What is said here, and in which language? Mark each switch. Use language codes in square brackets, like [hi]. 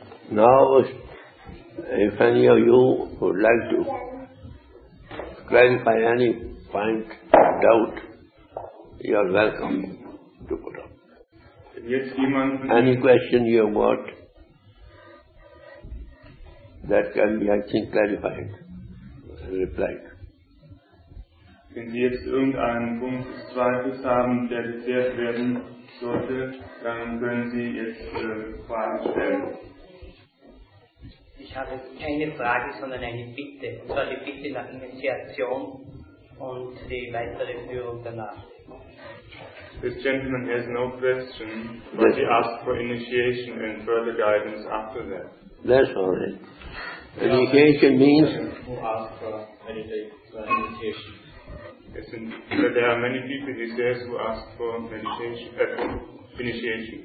[en] Now, if any of you would like to clarify any point, doubt, you are welcome to put up. Any question you have got, that can be, I think, clarified, replied. [de] Wenn Sie jetzt irgendeinen Punkt des Zweifels haben, der geklärt werden sollte, dann können Sie jetzt Fragen stellen. Ich habe keine Frage, sondern eine Bitte. Und zwar die Bitte nach Initiation und die weitere Führung danach. [en] This gentleman has no question, but he asked for initiation and further guidance after that. That's all right. Initiation means... Who asked for initiation? There are many people, he says, who ask for initiation.